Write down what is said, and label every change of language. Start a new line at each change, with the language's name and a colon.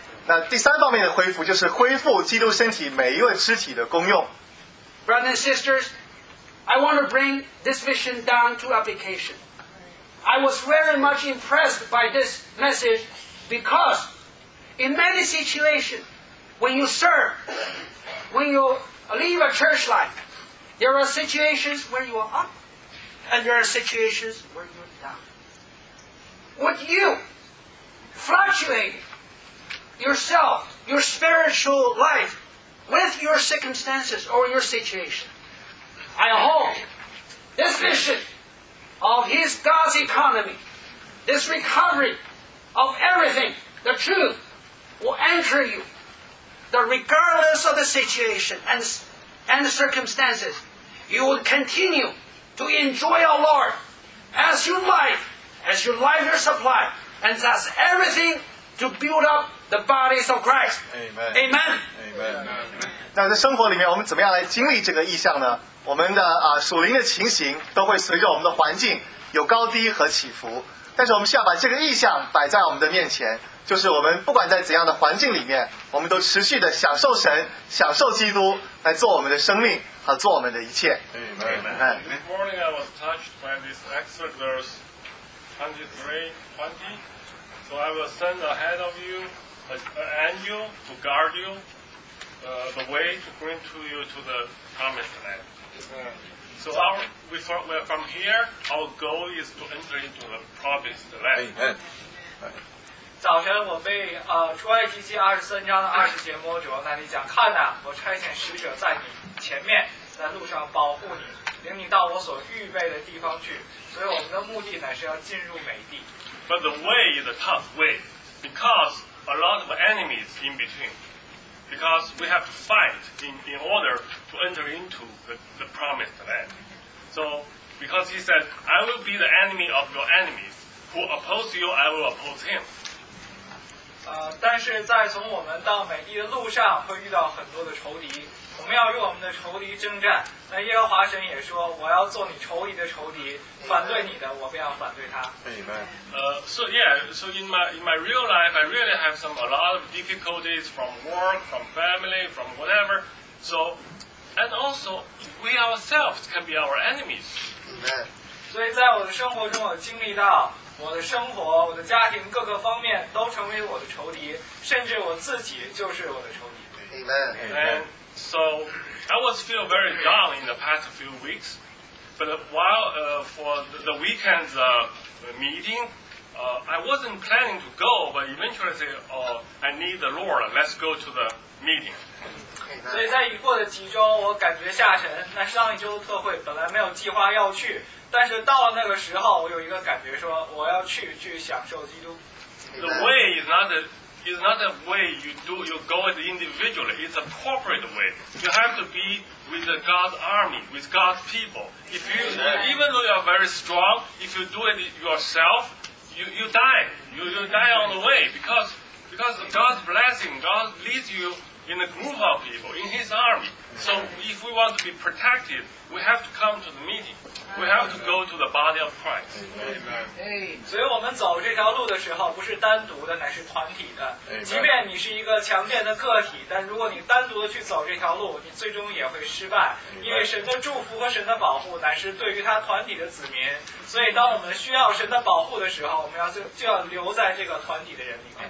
Chinese: 那第三方面的恢复就是恢复基督身体每一位肢体的功用。
English: Brothers and sisters, I want to bring this vision down to application. I was very much impressed by this message because in many situations, when you serve, when you leave a church life, there are situations where you are up and there are situations where you are down. Would you fluctuate yourself, your spiritual life, with your circumstances or your situation. I hope this vision of his God's economy, this recovery of everything, the truth, will enter you, that regardless of the situation and the circumstances, you will continue to enjoy our Lord as your life your supply, and that's everything to build up the bodies of Christ. Amen. Amen. Amen.
Chinese: 那在生活里面，我们怎么样来经历这个意象呢？我们的属灵的情形都会随着我们的环境有高低和起伏，但是我们需要把这个意象摆在我们的面前，就是我们不管在怎样的环境里面，我们都持续的享受神，享受基督，来做我们的生命和做我们的一切。
English: Amen. This morning I was touched by this excerpt verse 23:20. So I will send ahead of you an angel to guard you, the way to bring to you to the promised land. So from here, our goal is to enter into the promised land. Amen. Amen.
Chinese: 早晨我被出埃及记23:20摸着，那里讲，看哪，我差遣使者在你前面，在路上保护你，领你到我所预备的地方去。所以我们的目的乃是要进入美地。
English: But the way is a tough way, because a lot of enemies in between. Because we have to fight in order to enter into the promised land. So, because he said, I will be the enemy of your enemies. Who oppose you, I will oppose him.
Chinese: 但是在从我们到美地的路上会遇到很多的仇敌，我们要与我们的仇敌征战。那耶和华神也说，我要做你仇敌的仇敌，反对你的我便要反对他。
English: Amen. So in my real life, I really have a lot of difficulties from work, from family, from whatever. So, and also we ourselves can be our enemies. Amen.
Chinese: 所以在我的生活中，我经历到我的生活，我的家庭，各个方面都成为我的仇敌，甚至我自己就是我的仇敌。
English: Amen. And so I was feel very down in the past few weeks, but while for the weekend's meeting, I wasn't planning to go, but eventually say, I need the Lord, let's go to the meeting.
Chinese: 所以在已过的几周，我感觉下沉。那上一周的特会本来没有计划要去，但是到了那个时候，我有一个感觉说，我要去享受基督。
English: The way is not a way you go it individually. It's a corporate way. You have to be with the God's army, with God's people. If you, even though you are very strong, if you do it yourself, you die. You die on the way because God's blessing, God leads you in a group of people, in His army. So if we want to be protected, we have to come to the meeting. We have to go to the body of Christ. Amen.
Chinese: 所以我们走这条路的时候，不是单独的，乃是团体的。即便你是一个强健的个体，但如果你单独的去走这条路，你最终也会失败。因为神的祝福和神的保护乃是对于他团体的子民。所以当我们需要神的保护的时候，我们就要留在这个团体的人里面。